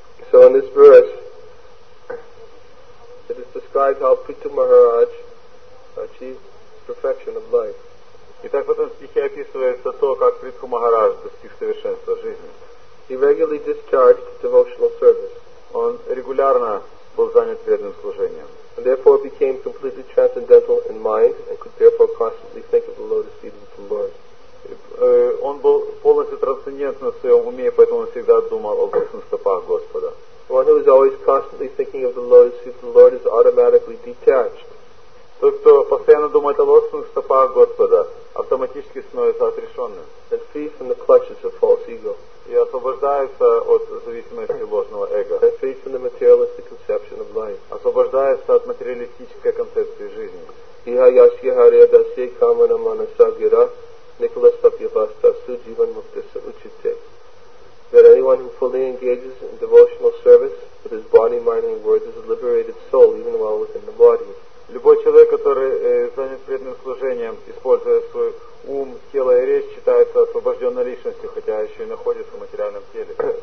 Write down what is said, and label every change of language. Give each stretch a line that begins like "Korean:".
English: So in this verse, it is described how Prithu Maharaj achieved perfection of life.
Russian: Итак, в этом стихе описывается то, как Прithu Maharaj достиг совершенства жизни.
English: He regularly discharged devotional service.
Russian: Он регулярно был занят преданным служением.
English: And therefore became completely transcendental in mind and could therefore constantly think of the lotus feet of the Lord.
Russian: Он был полностью трансцендентен в своем уме, поэтому он всегда думал о лотосных стопах Господа.
English: One who is always constantly thinking of the lotus feet of the Lord is automatically detached.
Russian: Тот, кто постоянно думает о лотосных стопах Господа, автоматически становится отрешенным.
English: And free from the clutches of false ego.
Russian: И освобождается от зависимости ложного эго.
English: And free from the materialistic conception of life.
Russian: Освобождается от материалистической концепции жизни.
Sanskrit: Иха яшья харе дасе камана манаса гира Николас Папьяваста Судживан Муктеса Учите.
English: That anyone who fully engages in devotional service with his body, mind, and words is a liberated soul, even while within the body.
Russian: Любой человек, который занят преданным служением, используя свой ум, тело и речь, считается освобожденной личностью, хотя еще и находится в материальном теле.